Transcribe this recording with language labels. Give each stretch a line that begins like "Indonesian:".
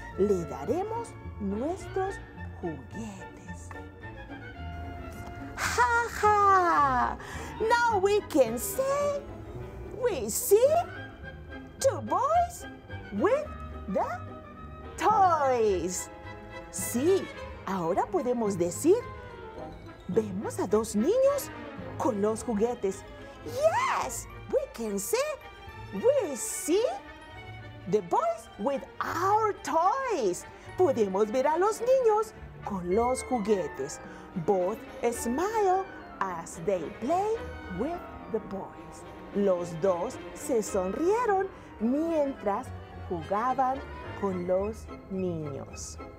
Spanish: Le daremos nuestros juguetes. Ha ha!
English: Now we can say, we see two boys with the toys.
Spanish: Sí, ahora podemos decir, vemos a dos niños con los juguetes.
English: Yes, we can say, we see the boys with our toys.
Spanish: Podemos ver a los niños con los juguetes.
English: Both smile as they play with the boys.
Spanish: Los dos se sonrieron mientras jugaban con los niños.